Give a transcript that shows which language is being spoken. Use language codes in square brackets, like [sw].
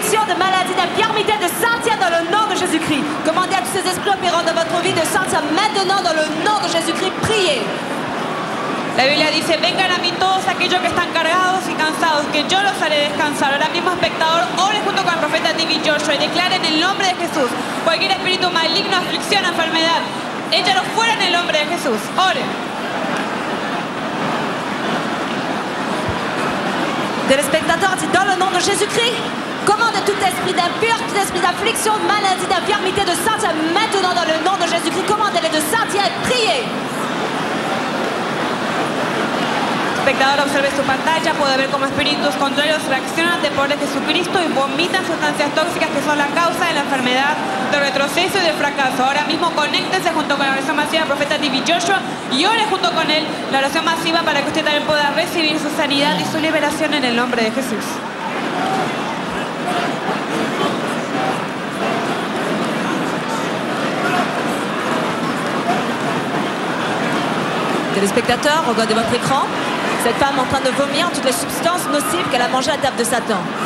[fr] De maladie, d'infirmité, de sortir dans le nom de Jésus-Christ. Commandez à tous ces esprits opérants dans votre vie de sortir maintenant dans le nom de Jésus-Christ. Priez. [es] La Biblia dice: vengan a mí todos aquellos que están cargados y cansados, que yo los haré descansar. Ahora mismo, espectador, ore junto con el profeta David Joshua y declare en el nombre de Jesús cualquier espíritu maligno, aflicción, enfermedad, échalo fuera en el nombre de Jesús. Ore. Del espectador, dice: [fr] dans le nom de Jésus-Christ. Commande tout esprit d'impur, tout esprit d'affliction, de maladie, d'infirmité, de sortir maintenant dans le nom de Jésus-Christ. Commandez-les de sortir et priez. Spectateur, observez sur [es] pantalla, puede ver cómo espíritus contrarios reaccionan de poder de Jesucristo y vomitan sustancias tóxicas que son la causa de la enfermedad, de retroceso y de fracaso. Ahora mismo, conéctense junto con la oración masiva del profeta D.B. Joshua y ore junto con él la oración masiva para que usted también pueda recibir su sanidad y su liberación en el nombre de Jesús. [fr] Téléspectateurs, regardez votre écran. Cette femme est en train de vomir toutes les substances nocives qu'elle a mangées à la table de Satan.